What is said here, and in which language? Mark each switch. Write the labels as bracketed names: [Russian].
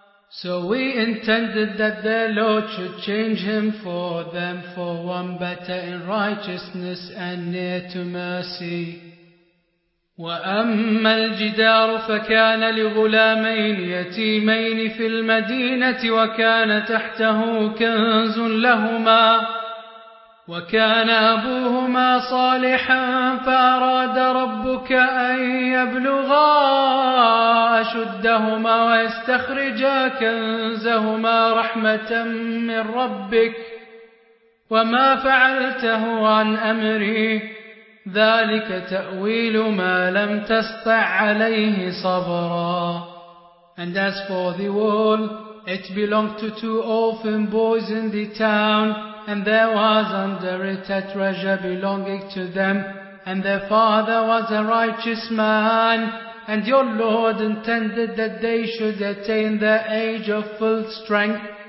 [English] So we intended that their Lord should change him for them for one better in righteousness and near to mercy. [Arabic] وأما الجدار فكان لغلامين يتيمين في المدينة وكان تحته كنز لهما وكان أبوهما صالحا فأراد ربك أن يبلغا أشدهما ويستخرجا كنزهما رحمة من ربك وما فعلته عن أمري ذلك تأويل ما لم تسطع عليه صبرا. [English] And as for the wall, it belonged to two orphan boys in the town, and there was under it a treasure belonging to them, and their father was a righteous man, and your Lord intended that they should attain their age of full strength,